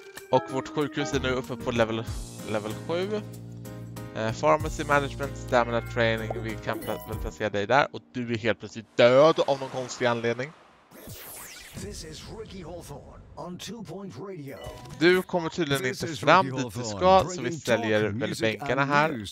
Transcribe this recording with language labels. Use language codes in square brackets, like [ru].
[sv] Och vårt sjukhus är nu uppe på level 7. [en] Pharmacy management, stamina training, [sv] vi kan väl placera dig där. Och du är helt plötsligt död av någon konstig anledning. [en] This is Ricky Hawthorne on 2 Point Radio. [sv] Du kommer tydligen inte fram dit du ska, så vi ställer väl bänkarna här.